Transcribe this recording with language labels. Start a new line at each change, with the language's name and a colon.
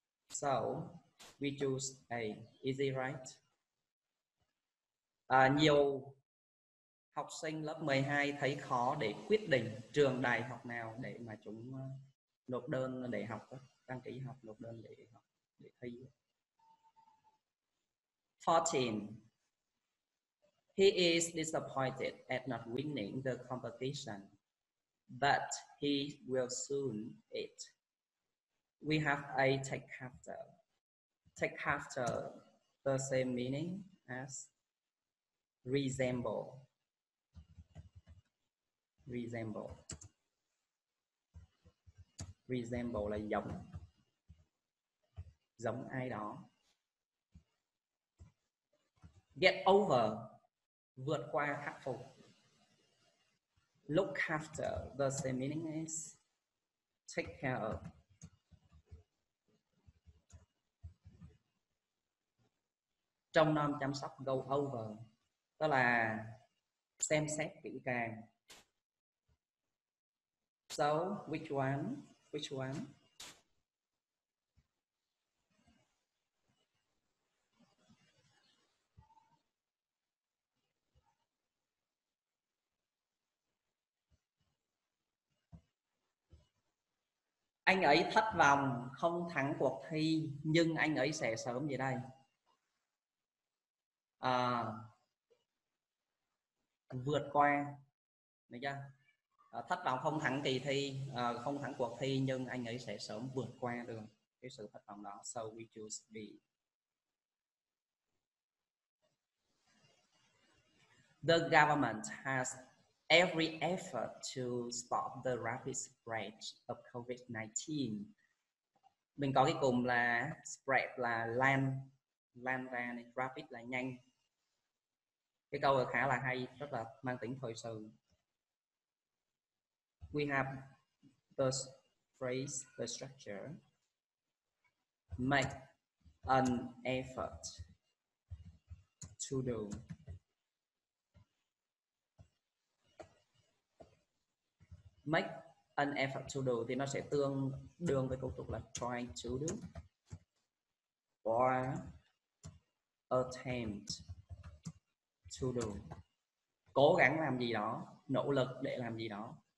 English: So, we choose A. Easy, right?
Vietnamese: Nhiều học sinh lớp 12 thấy khó để quyết định trường đại học nào để mà chúng nộp đơn để học, đăng ký học, nộp đơn để học, để thi.
English: 14. He is disappointed at not winning the competition, but he will soon it. We have a take after. Take after the same meaning as resemble. Resemble.
Vietnamese: Resemble là giống. Giống ai đó.
English: Get over,
Vietnamese: vượt qua, khắc phục.
English: Look after, the same meaning is take care of.
Vietnamese: Trông nom chăm sóc,
English: go over,
Vietnamese: đó là xem xét kỹ càng.
English: So which one, which one?
Vietnamese: Anh ấy thất vọng, không thắng cuộc thi, nhưng anh ấy sẽ sớm về đây. À, vượt qua, được chưa? À, thất vọng không thắng kỳ thi, không thắng cuộc thi, nhưng anh ấy sẽ sớm vượt qua được cái sự thất vọng đó.
English: So we choose B. The government has every effort to stop the rapid spread of COVID-19.
Vietnamese: Mình có cái cụm là spread là lan, lan ra, rapid là nhanh. Cái câu khá là hay, rất là mang tính thời sự.
English: We have the phrase, the structure, make an effort to do. Make an effort to do
Vietnamese: thì nó sẽ tương đương với câu tục là
English: try to do or attempt to do.
Vietnamese: Cố gắng làm gì đó, nỗ lực để làm gì đó.